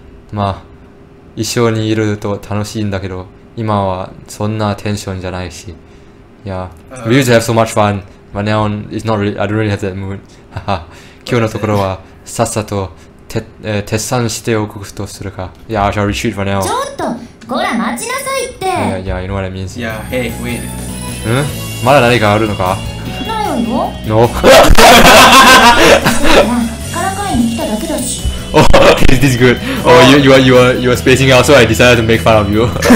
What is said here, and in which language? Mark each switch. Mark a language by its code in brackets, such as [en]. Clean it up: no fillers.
[ja] まあ、一緒にいると楽しいんだけど、今はそんなテンションじゃないし。 [en] Yeah, we used to have so much fun, but now it's not really, I don't really have that mood. [ja] 今日のところはさっさと撤散しておくとするか。 [en] Yeah, I shall retreat for now. [ja] ちょっと、こら待ちなさいって。 [en] Yeah, you know what that means. Yeah, hey, wait. [ja] まだ何かあるのか？ないわよ。 [en] No. [ja] からかいに来ただけだし。 [en] Oh, is this good? Oh, you are spacing out, so I decided to make fun of you.